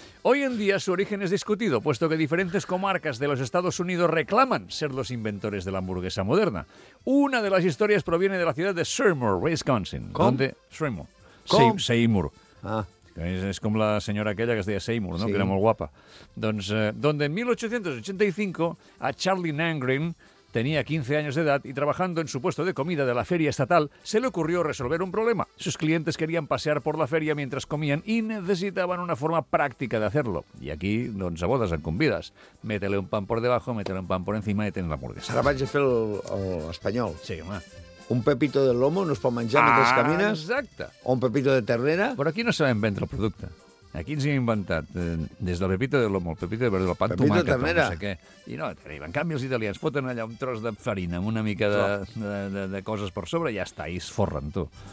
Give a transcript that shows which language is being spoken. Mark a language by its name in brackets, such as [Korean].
[Spanish] Hoy en día su origen es discutido, puesto que diferentes comarcas de los Estados Unidos reclaman ser los inventores de la hamburguesa moderna. Una de las historias proviene de la ciudad de Seymour, Wisconsin. [Catalan] ¿Com? [Spanish] Donde... Seymour. [Catalan] ¿Com? Seymour. Ah, és com la senyora aquella que es deia Seymour, no? Sí. Que era molt guapa. [Spanish] Doncs, donde en 1885 a Charlie Nangreen tenía 15 años de edad y trabajando en su puesto de comida de la feria estatal, se le ocurrió resolver un problema. Sus clientes querían pasear por la feria mientras comían y necesitaban una forma práctica de hacerlo. Y aquí, doncs, a bodas en convidas. Métele un pan por debajo, métele un pan por encima y ten la hamburguesa. [Catalan] Ara vaig a fer l'espanyol. Sí, home. Un pepito de lomo no es pot menjar mentre camines. Exacte. O un pepito de ternera. Però aquí no sabem vendre el producte. Aquí ens hem inventat, des del pepito de lomo, el pepito de verdura, el pan pepito tomàquet, de no sé què. I no, en canvi els italians foten allà un tros de farina amb una mica de coses per sobre i ja està, i es forren, tu.